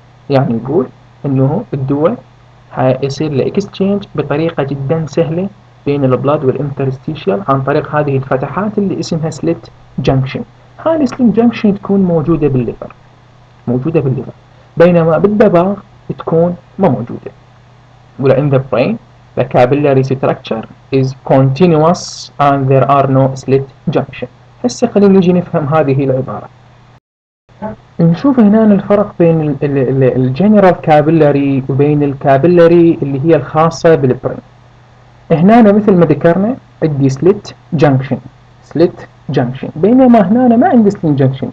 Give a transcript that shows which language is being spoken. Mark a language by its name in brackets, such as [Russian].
[Arabic] يعني يقول انه الدواء هيصير لإكستشينج بطريقة جدا سهلة بين البلاد والإنترستيشيال عن طريق هذه الفتحات اللي اسمها سليت جنكشن. هذه سليت جنكشن تكون موجودة بالليفر، موجودة بالليفر، بينما بالدماغ تكون ما موجودة. ولا [English] in the brain the capillary structure is continuous and there are no slit junction. [Arabic] هسا خلينا نجي نفهم هذه العبارة. نشوف هنا الفرق بين الجنرال كابيلاري وبين الكابيلاري اللي هي الخاصة بالبرين. هنا مثل ما ذكرنا عندي سليت جنكشن، بينما هنا ما عندي سليت جنكشن.